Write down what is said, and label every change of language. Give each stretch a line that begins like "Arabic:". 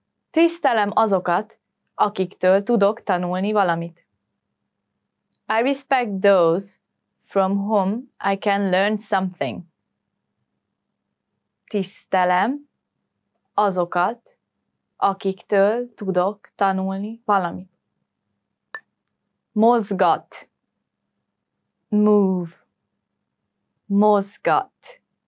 Hungarian: Tisztelem azokat, akiktől tudok tanulni valamit.
English: I respect those from whom I can learn something.
Hungarian: Tisztelem azokat, akiktől tudok tanulni valamit. Mozgat. Move. Mozgat.